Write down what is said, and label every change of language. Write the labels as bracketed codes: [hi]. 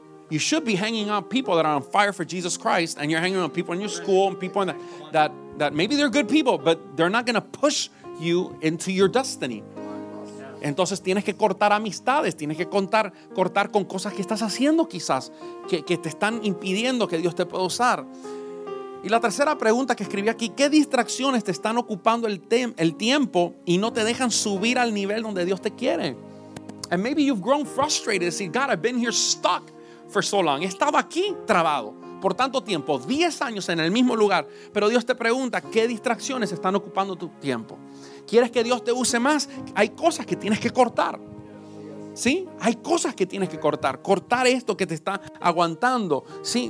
[en] You should be hanging out people that are on fire for Jesus Christ, and you're hanging out people in your school and people in that maybe they're good people, but they're not going to push you into your destiny. [es] Entonces tienes que cortar amistades, tienes que cortar con cosas que estás haciendo quizás que te están impidiendo que Dios te pueda usar. Y la tercera pregunta que escribí aquí, ¿qué distracciones te están ocupando el tiempo y no te dejan subir al nivel donde Dios te quiere? [en] And maybe you've grown frustrated and say, God, I've been here stuck for so long. [es] Estaba aquí trabado por tanto tiempo, 10 años en el mismo lugar. Pero Dios te pregunta, ¿qué distracciones están ocupando tu tiempo? ¿Quieres que Dios te use más? Hay cosas que tienes que cortar. ¿Sí? Hay cosas que tienes que cortar. Cortar esto que te está aguantando. ¿Sí?